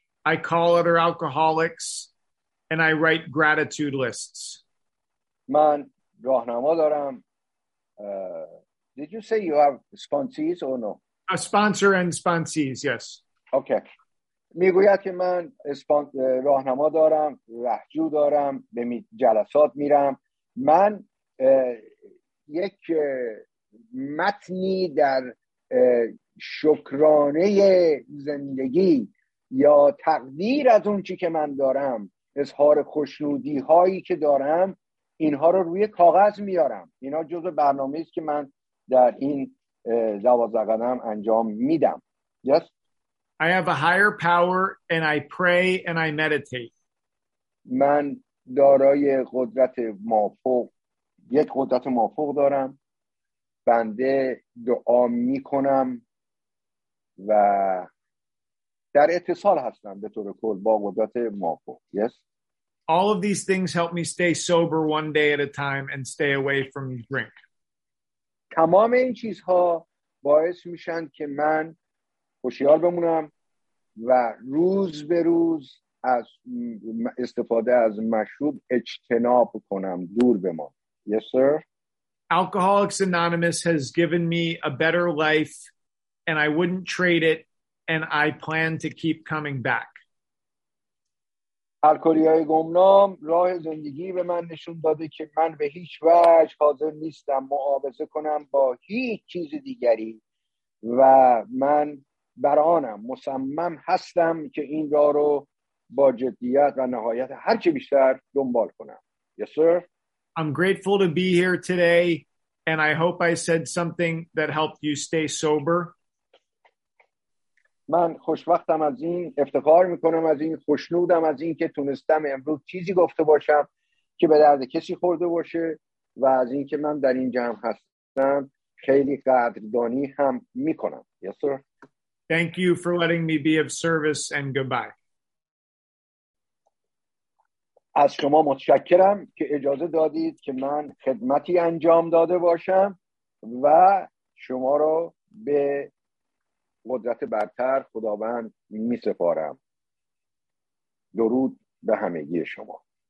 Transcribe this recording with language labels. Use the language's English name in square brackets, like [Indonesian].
[English] I call other alcoholics and I write gratitude lists. [Persian] من راهنما دارم. [English] Did you say you have sponsees or no? A sponsor and sponsees, yes. Okay. [Persian] میگوید که من راهنما دارم، رهجو دارم، به جلسات میرم. من یک متنی در شکرانه زندگی یا تقدیر از اون چی که من دارم، اظهار خوشنودی هایی که دارم، اینها رو روی کاغذ میارم. اینا جزء برنامه‌ای است که من در این 12 قدم انجام میدم. [English] Yes. I have a higher power and I pray and I meditate. [Persian] من دارای قدرت مافوق، یک قدرت مافوق دارم. بنده دعا میکنم و در اتصال هستم به طور کل با قدرت مافوق. [English] Yes. All of these things help me stay sober one day at a time and stay away from drink. [Persian] تمام این چیزها باعث میشن که من هوشیار بمونم و روز به روز از استفاده از مشروب اجتناب کنم، دور بمانم. [English] Yes, sir. Alcoholics Anonymous has given me a better life and I wouldn't trade it and I plan to keep coming back. [Persian] الکلی‌های گمنام راه زندگی به من نشون داده که من به هیچ وجه حاضر نیستم معاوضه کنم با هیچ چیز دیگری و من بر آنم، مصمم هستم که این راه رو با جدیت و نهایت هرچه بیشتر دنبال کنم. [English] Yes, sir. I'm grateful to be here today, and I hope I said something that helped you stay sober. [Persian] من خوشبختم از این، افتخار میکنم از این، خوشنودم از این که تونستم امروز چیزی گفته باشم که به درد کسی خورده باشه و از این که من در این جمع هستم خیلی قدردانی هم میکنم. [English] Yes, sir. Thank you for letting me be of service and goodbye. [Persian] از شما متشکرم که اجازه دادید که من خدمتی انجام داده باشم و شما را به قدرت برتر خداوند می سپارم. درود به همگی شما.